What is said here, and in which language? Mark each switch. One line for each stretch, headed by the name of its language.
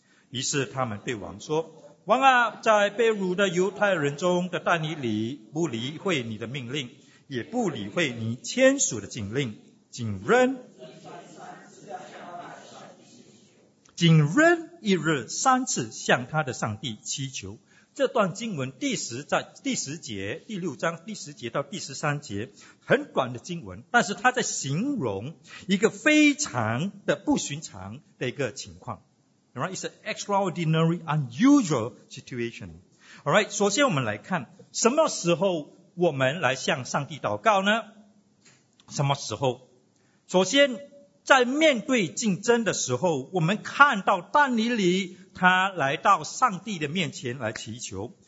Chinese: 于是他们对王说，王啊，在被掳的犹太人中的但以理不理会你的命令，也不理会你签署的禁令，仅扔一日三次向他的上帝祈求。这段经文第十节第六章第十节到第十三节，很短的经文，但是他在形容一个非常的不寻常的一个情况。
English: It's an extraordinary, unusual situation.
Chinese: Alright, 首先我们来看什么时候我们来向上帝祷告呢？什么时候？首先在面对竞争的时候，我们看到但以理他来到上帝的面前来祈求。